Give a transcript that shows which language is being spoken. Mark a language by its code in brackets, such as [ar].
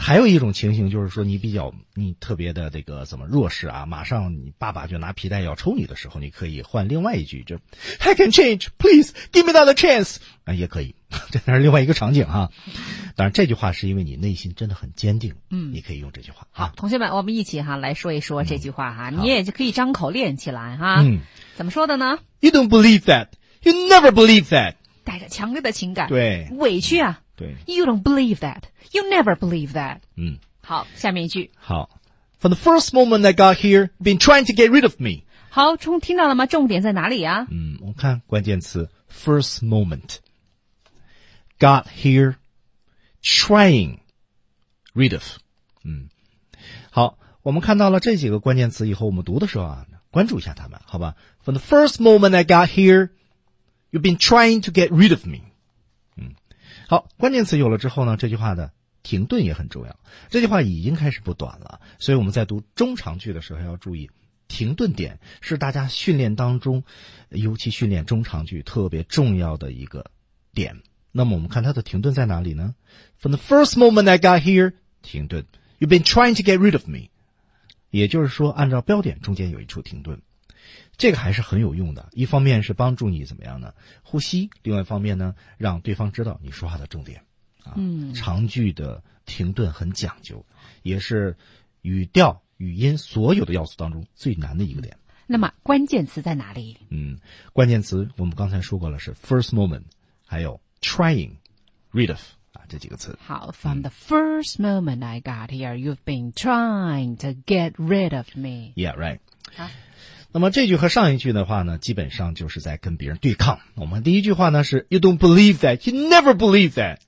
[zh] 还有一种情形就是说你特别的这个怎么弱势啊，马上你爸爸就拿皮带要抽你的时候，你可以换另外一句，这 [en] I can change, please give me another chance [zh] 啊，也可以，这是另外一个场景啊。当然这句话是因为你内心真的很坚定，嗯，你可以用这句话啊。同学们，我们一起哈来说一说这句话哈，你也就可以张口练起来哈。嗯，怎么说的呢？ [en] You don't believe that, you never believe that， [zh] 带着强烈的情感，对，委屈啊，对， [en] You don't believe that, you never believe that。 [zh] 嗯，好，下面一句， [en] 好， From the first moment I got here, been trying to get rid of me。 [zh] 好，听到了吗？重点在哪里啊？嗯，我看关键词 [en] First moment Got here Trying Rid of。 [zh] 嗯，好，我们看到了这几个关键词以后，我们读的时候啊，关注一下他们，好吧？ [en] From the first moment I got here, you've been trying to get rid of me。 [zh] 好，关键词有了之后呢，这句话的停顿也很重要。这句话已经开始不短了，所以我们在读中长句的时候要注意停顿点，是大家训练当中尤其训练中长句特别重要的一个点。那么我们看它的停顿在哪里呢？ [en] From the first moment I got here， [zh] 停顿， [en] You've been trying to get rid of me， [zh] 也就是说按照标点中间有一处停顿，这个还是很有用的，一方面是帮助你怎么样呢，呼吸，另外一方面呢让对方知道你说话的重点啊。嗯，长句的停顿很讲究，也是语调语音所有的要素当中最难的一个点。那么关键词在哪里？嗯，关键词我们刚才说过了，是 [en] first moment [zh] 还有 [en] trying rid of [zh] 啊，这几个词。 [en] 好， From the first moment I got here, you've been trying to get rid of me。 Yeah, right。 [zh] 好，那么这句和上一句的话呢，基本上就是在跟别人对抗。我们第一句话呢是 [en] You don't believe that, [zh] you never believe that。